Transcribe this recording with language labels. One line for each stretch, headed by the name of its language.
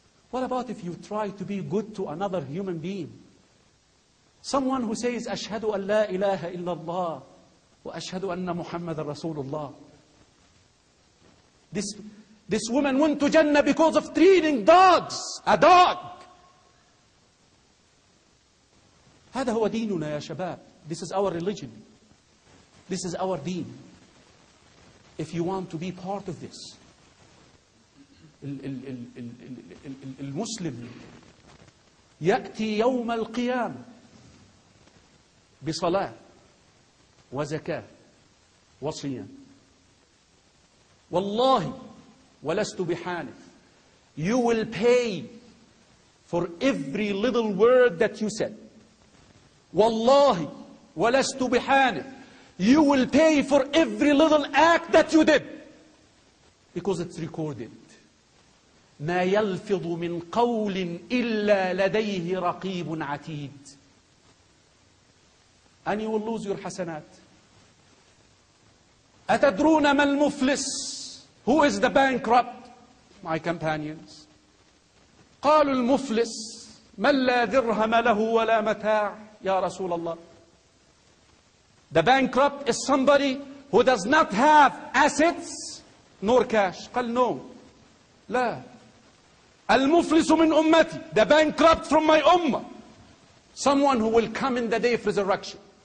English: What about if you try to be good to another human being? Someone who says,
Arabic: أشهد أن لا إله إلا الله وأشهد أن محمد رسول الله.
English: This woman went to Jannah because of treating dogs, a dog.
Arabic: هذا هو ديننا يا شباب.
English: This is our religion. This is our deen. If you want to be part of this,
Arabic: المسلم يأتي يوم القيامة بصلاة وزكاة وصيام. والله ولست بحانف.
English: You will pay for every little word that you said.
Arabic: والله ولست بحانف.
English: You will pay for every little act that you did. Because it's recorded.
Arabic: ما يلفظ من قول إلا لديه رقيب عتيد.
English: And you will lose your حسنات.
Arabic: أتدرون ما المفلس؟
English: Who is the bankrupt? My companions.
Arabic: قالوا المفلس من لا درهم له ولا متاع يا رسول الله.
English: The bankrupt is somebody who does not have assets nor cash.
Arabic: قال
English: no.
Arabic: لا. المفلس من أمتي.
English: The bankrupt from my ummah. Someone who will come in the day of resurrection.